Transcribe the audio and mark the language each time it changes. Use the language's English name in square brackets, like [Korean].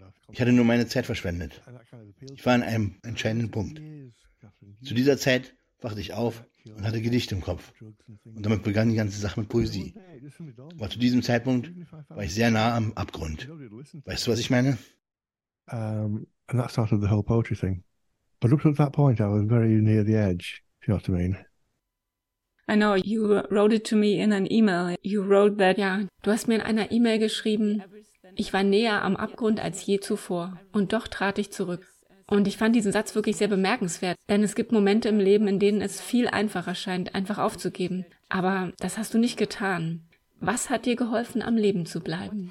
[German] Ich hatte nur meine Zeit verschwendet. Ich war an einem entscheidenden Punkt. Zu dieser Zeit wachte ich auf und hatte Gedichte im Kopf. Und damit begann die ganze Sache mit Poesie. Aber zu diesem Zeitpunkt war ich sehr nah am Abgrund. Weißt du, was ich meine? [English] And that started the whole poetry thing. But up to that point, I was very near the edge, if you know what I mean. I know, you wrote it to me in an email. You wrote that, yeah. [German] Du hast mir in einer E-Mail geschrieben, ich war näher am Abgrund als je zuvor. Und doch trat ich zurück. Und ich fand diesen Satz wirklich sehr bemerkenswert, denn es gibt Momente im Leben, in denen es viel einfacher scheint, einfach aufzugeben. Aber das hast du nicht getan. Was hat dir geholfen, am Leben zu bleiben?